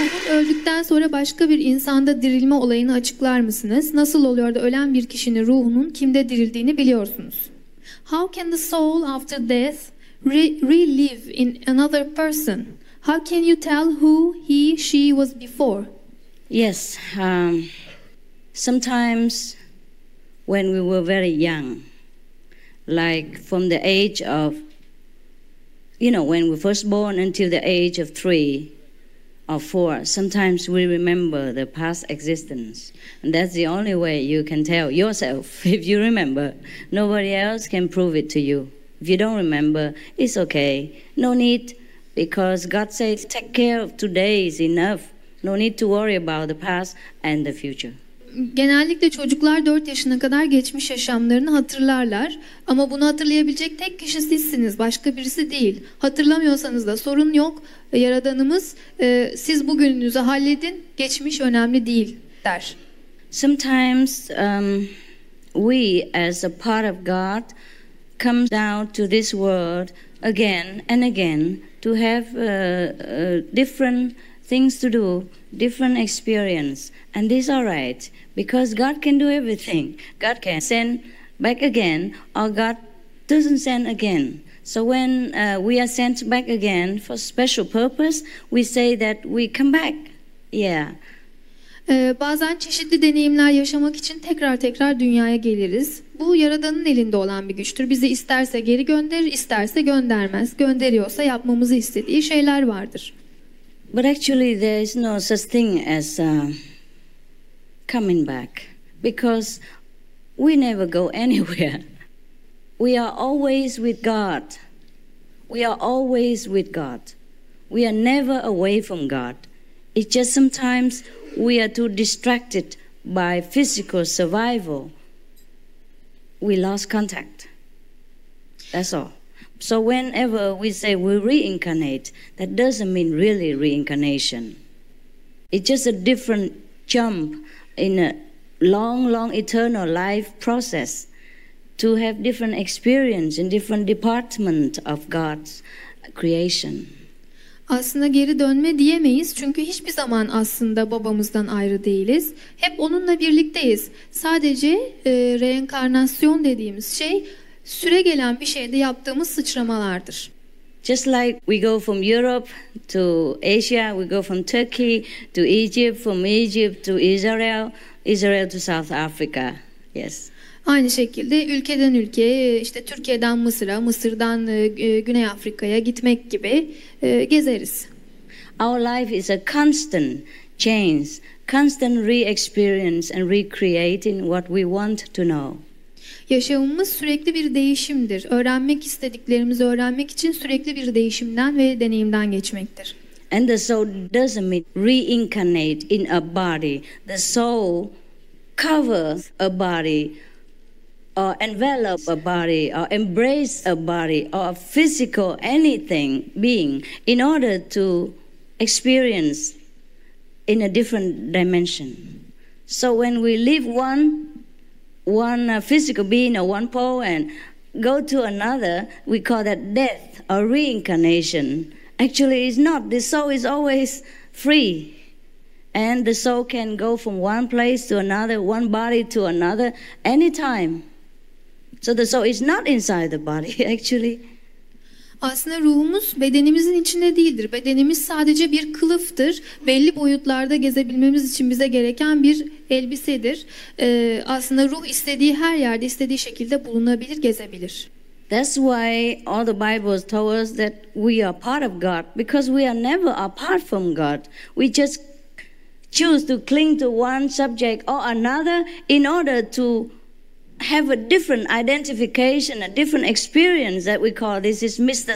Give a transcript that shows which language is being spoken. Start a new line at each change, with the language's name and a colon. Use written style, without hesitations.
Turkish: Öldükten sonra başka bir insanda dirilme olayını açıklar mısınız? Nasıl oluyor da ölen bir kişinin ruhunun kimde dirildiğini biliyorsunuz?
English: How can the soul after death relive in another person? How can you tell who he, she was before? Yes. Sometimes when we were very young, like from the age of, you know, when we first born until the age of 3, or 4, sometimes we remember the past existence. And that's the only way you can tell yourself if you remember. Nobody else can prove it to you. If you don't remember, it's okay. No need Because God says, take care of today is enough. No need to worry about the past and the future.
Turkish: Genellikle çocuklar 4 yaşına kadar geçmiş yaşamlarını hatırlarlar. Ama bunu hatırlayabilecek tek kişi sizsiniz, başka birisi değil. Hatırlamıyorsanız da sorun yok. Yaradanımız, siz bugününüzü halledin, geçmiş önemli değil der.
English: Sometimes we as a part of God come down to this world again and again to have different things to do, different experience, and this all right because God can do everything. God can send back again, or God doesn't send again. So when we are sent back again for special purpose, we say that we come back. Yeah.
Turkish: Bazen çeşitli deneyimler yaşamak için tekrar tekrar dünyaya geliriz. Bu Yaradan'ın elinde olan bir güçtür. Bizi isterse geri gönderir, isterse göndermez. Gönderiyorsa yapmamızı istediği şeyler vardır.
English: But actually there is no such thing as coming back. Because we never go anywhere. We are always with God. We are always with God. We are never away from God. It's just sometimes we are too distracted by physical survival. We lost contact. That's all. So whenever we say we reincarnate, that doesn't mean really reincarnation. It's just a different jump in a long, long eternal life process to have different experience in different department of God's creation.
Turkish: Aslında geri dönme diyemeyiz çünkü hiçbir zaman aslında babamızdan ayrı değiliz. Hep onunla birlikteyiz. Sadece reenkarnasyon dediğimiz şey süre gelen bir şeyde yaptığımız sıçramalardır.
English: Just like we go from Europe to Asia, we go from Turkey to Egypt, from Egypt to Israel, Israel to South Africa. Yes.
Turkish: Aynı şekilde ülkeden ülkeye, işte Türkiye'den Mısır'a, Mısır'dan Güney Afrika'ya gitmek gibi gezeriz.
English: Our life is a constant change, constant re-experience and recreating what we want to know.
Turkish: Yaşamımız sürekli bir değişimdir. Öğrenmek istediklerimizi öğrenmek için sürekli bir değişimden ve deneyimden geçmektir.
English: And the soul doesn't mean reincarnate in a body. The soul covers a body. Or envelop a body, or embrace a body, or a physical anything being, in order to experience in a different dimension. So when we leave one physical being or one pole and go to another, we call that death or reincarnation. Actually, it's not. The soul is always free. And the soul can go from one place to another, one body to another, anytime. So the soul is not inside the body actually.
Turkish: Aslında ruhumuz bedenimizin içinde değildir. Bedenimiz sadece bir kılıftır. Belli boyutlarda gezebilmemiz için bize gereken bir elbisedir. Aslında ruh istediği her yerde, istediği şekilde bulunabilir, gezebilir.
English: That's why all the Bibles told us that we are part of God because we are never apart from God. We just choose to cling to one subject or another in order to have a different identification, a different experience that we call this is Mr.